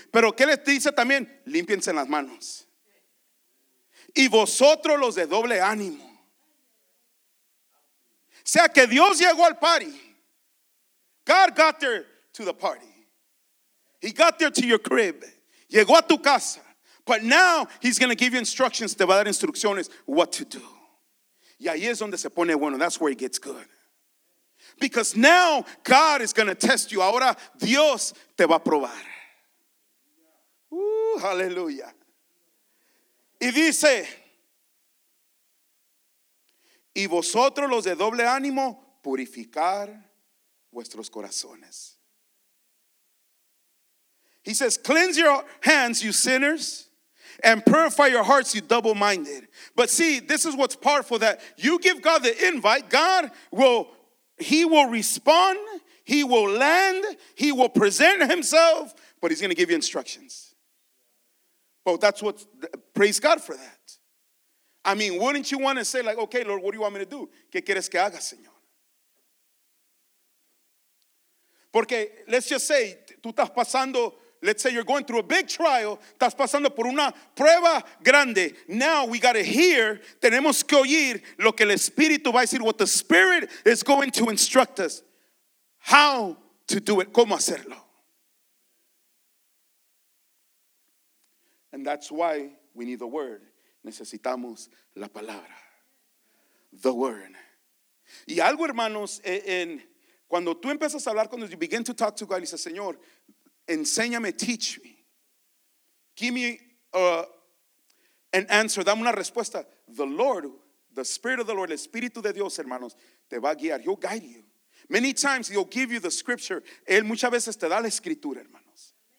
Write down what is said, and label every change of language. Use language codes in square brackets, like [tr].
[es] Pero ¿qué les dice también? Límpiense las manos. Y vosotros los de doble ánimo. O sea que Dios llegó al party. [en] God got there to the party. He got there to your crib. [es] Llegó a tu casa. [en] But now He's going to give you instructions. [es] Te va a dar instrucciones [en] what to do. [es] Y ahí es donde se pone bueno. [en] That's where it gets good. Because now God is going to test you. [es] Ahora Dios te va a probar. Aleluya. Y dice, y vosotros los de doble ánimo, purificar vuestros corazones. [en] He says, cleanse your hands, you sinners, and purify your hearts, you double-minded. But see, this is what's powerful, that you give God the invite, God will... He will respond, He will land, He will present Himself, but He's going to give you instructions. But that's what, praise God for that. I mean, wouldn't you want to say like, okay, Lord, what do you want me to do? [es] ¿Qué quieres que haga, Señor? [en] Porque, let's just say, [es] tú estás pasando, [en] let's say you're going through a big trial, [es] estás pasando por una prueba grande. [en] Now we got to hear, [es] tenemos que oír lo que el Espíritu va a decir, [en] what the Spirit is going to instruct us, how to do it, [es] cómo hacerlo. [en] And that's why we need the Word. Necesitamos la palabra. The Word. [es] Y algo, hermanos, en cuando tú empiezas a hablar, cuando [en] you begin to talk to God, [es] y dices, Señor, enséñame, [en] teach me. Give me an answer. [es] Dame una respuesta. [en] The Lord, the Spirit of the Lord, [es] el Espíritu de Dios, hermanos, te va a guiar. [en] He'll guide you. Many times He'll give you the scripture. [es] Él muchas veces te da la escritura, hermanos.